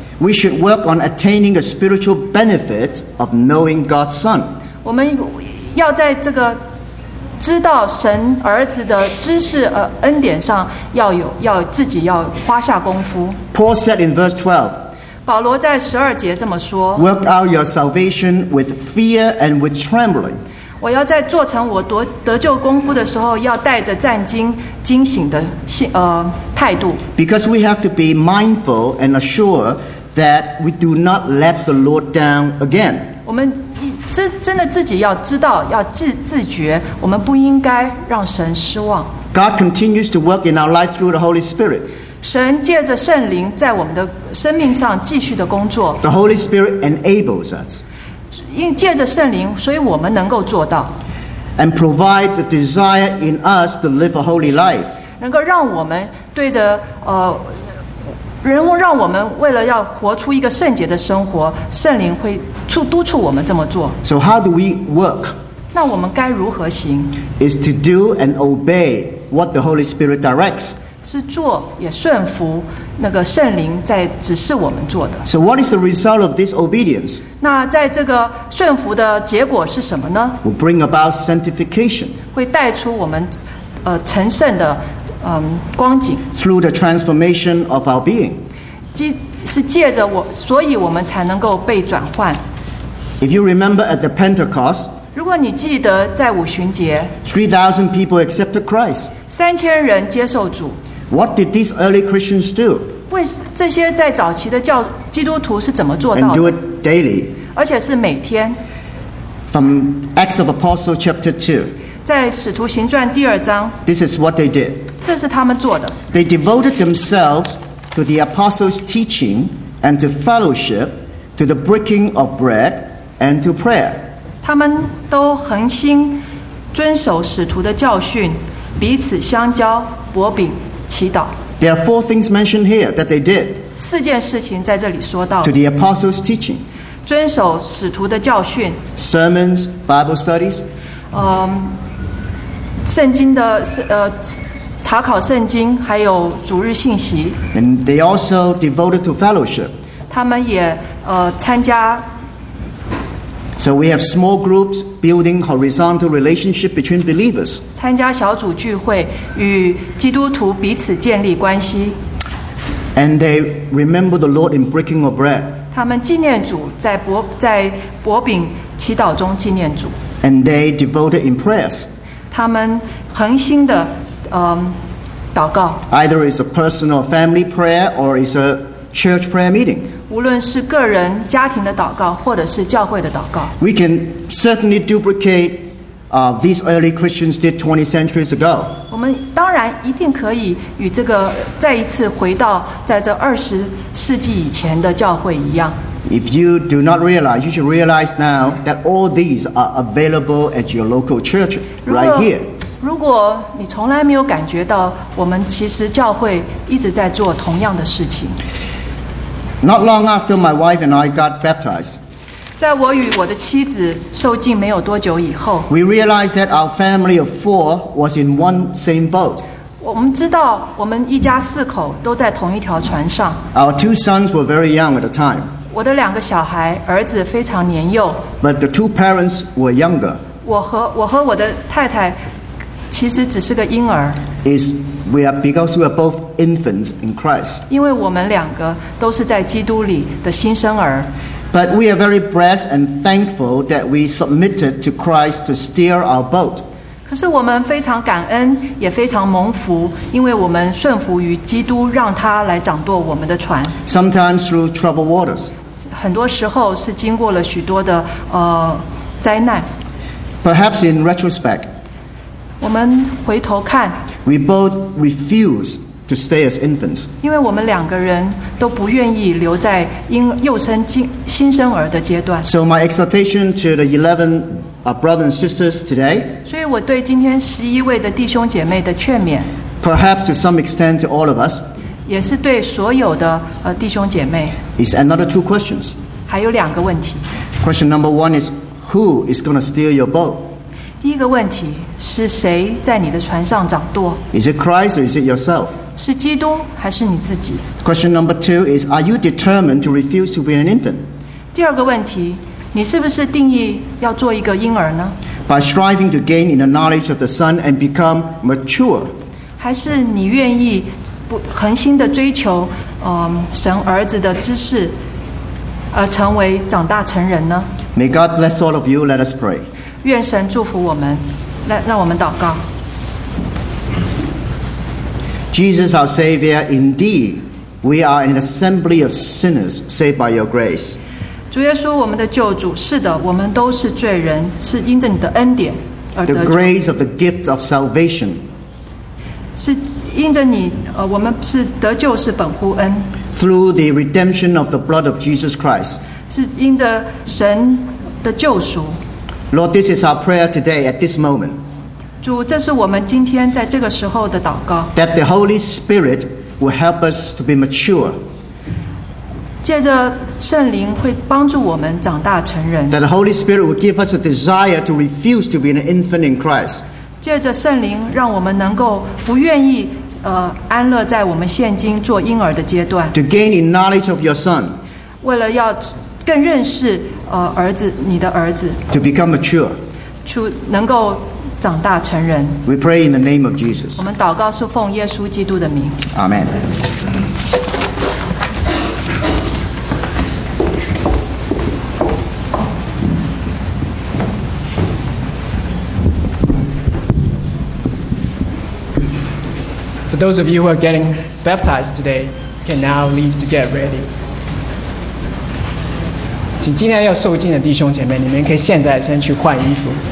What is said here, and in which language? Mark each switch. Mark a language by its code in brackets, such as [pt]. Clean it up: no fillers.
[en] we should work on attaining the spiritual benefit of knowing God's Son. [zh] 我们要在这个知道神儿子的知识恩典上要自己要花下功夫。 [en] Paul said in verse 12. [zh] 保罗在十二节这么说。 [en] Work out your salvation with fear and with trembling. [zh] 我要在做成我得救功夫的时候，要带着战兢惊醒的态度。 [en] Because we have to be mindful and assured that we do not let the Lord down again. [zh] 我们真的自己要知道，要自觉，我们不应该让神失望。 [en] God continues to work in our life through the Holy Spirit. [zh] 神借着圣灵在我们的生命上继续的工作。 [en] The Holy Spirit enables us. [zh] 因借着圣灵，所以我们能够做到。 [en] And provide the desire in us to live a holy life. [zh] 能够让我们对着人物，让我们为了要活出一个圣洁的生活，圣灵会督促我们这么做。 [en] So how do we work? [zh] 那我们该如何行？ [en] Is to do and obey what the Holy Spirit directs. [zh] 是做也顺服。那个圣灵在指示我们做的。 [en] So what is the result of this obedience? [zh] 那在这个顺服的结果是什么呢？ [en] Will bring about sanctification. [zh] 会带出我们成圣的光景。 [en] Through the transformation of our being. [zh] 是借着我，所以我们才能够被转换。 [en] If you remember at the Pentecost, [zh] 如果你记得在五旬节， [en] 3,000 people accepted Christ. [zh] 3,000人接受主。 [en] What did these early Christians do? [zh] 这些在早期的基督徒是怎么做到的？ [en] And do it daily. [zh] 而且是每天。 [en] From Acts of Apostles chapter 2. [zh] 在使徒行传第二章。 [en] This is what they did. [zh] 这是他们做的。 [en] They devoted themselves to the apostles' teaching and to fellowship, to the breaking of bread and to prayer. [zh] 他们都恒心遵守使徒的教训，彼此相交，擘饼。 [en] There are four things mentioned here that they did. [zh] 四件事情在这里说到。 [en] To the apostles' teaching. [zh] 遵守使徒的教训。 [en] Sermons, Bible studies. [zh] 圣经的查考圣经，还有主日信息。 [en] And they also devoted to fellowship. [zh] 他们也参加。 [en] So we have small groups building horizontal relationship between believers. [zh] 参加小组聚会，与基督徒彼此建立关系。 [en] And they remember the Lord in breaking of bread. [zh] 他们纪念主，在擘饼祈祷中纪念主。 [en] And they devoted in prayers. [zh] 他们恒心的祷告。 [en] Either it's a personal family prayer or it's a church prayer meeting. [zh] 无论是个人家庭的祷告，或者是教会的祷告。 [en] We can certainly duplicate, these early Christians did 20 centuries ago. [zh] 我们当然一定可以与这个再一次回到在这二十世纪以前的教会一样。 [en] If you do not realize, you should realize now that all these are available at your local church right here. [zh] 如果你从来没有感觉到，我们其实教会一直在做同样的事情。 [en] Not long after my wife and I got baptized, [zh] 在我与我的妻子受浸没有多久以后， [en] we realized that our family of four was in one same boat. [zh] 我们知道我们一家四口都在同一条船上。 [en] Our two sons were very young at the time. [zh] 我的两个小孩儿子非常年幼。 [en] But the two parents were younger. [zh] 我和我的太太其实只是个婴儿。 [en] Is we are because we are both infants in Christ. [zh] 因为我们两个都是在基督里的新生儿。 [en] But we are very blessed and thankful that we submitted to Christ to steer our boat. [zh] 可是我们非常感恩，也非常蒙福，因为我们顺服于基督，让他来掌舵我们的船。 [en] Sometimes through troubled waters. [zh] 很多时候是经过了许多的灾难。 [en] Perhaps in retrospect, [zh] 我们回头看。 [en] We both refuse to stay as infants. [zh] 因为我们两个人都不愿意留在幼生新生儿的阶段。 [en] So my exhortation to the 11 brothers and sisters today. [zh] 所以我对今天十一位的弟兄姐妹的劝勉。 [en] Perhaps to some extent to all of us. [zh] 也是对所有的弟兄姐妹。 [en] Is another two questions. [zh] 还有两个问题。 [en] Question number one is who is going to steer your boat? [zh] 第一个问题是谁在你的船上掌舵 [en] ？Is it Christ or is it yourself？ [zh] 是基督还是你自己 [en] ？Question number two is: Are you determined to refuse to be an infant？ [zh] 第二个问题，你是不是定义要做一个婴儿呢 [en] ？By striving to gain in the knowledge of the Son and become mature， [zh] 还是你愿意不恒心的追求，神儿子的知识，而成为长大成人呢 [en] ？May God bless all of you. Let us pray. [zh] 愿神祝福我们，让我们祷告。 [en] Jesus, our Savior, indeed, we are an assembly of sinners saved by your grace. [zh] 主耶稣，我们的救主，是的，我们都是罪人，是因着你的恩典而得救。 [en] The grace of the gift of salvation. [zh] 是因着你，我们是得救是本乎恩。 [en] Through the redemption of the blood of Jesus Christ. [zh] 是因着神的救赎。 [en] Lord, this is our prayer today at this moment. [zh] 主，这是我们今天在这个时候的祷告。 [en] That the Holy Spirit will help us to be mature. [zh] 借着圣灵会帮助我们长大成人。 [en] That the Holy Spirit will give us a desire to refuse to be an infant in Christ. [zh] 借着圣灵让我们能够不愿意安乐在我们现今做婴儿的阶段。 [en] To gain in knowledge of your Son. [zh] 为了要更认识儿子，你的儿子。 [en] To become mature, [zh] 能够长大成人。 [en] We pray in the name of Jesus. [zh] 我们祷告是奉耶稣基督的名。 [en] Amen. For those of you who are getting baptized today, can now leave to get ready. [zh] 请今天要受浸的弟兄姐妹，你们可以现在先去换衣服。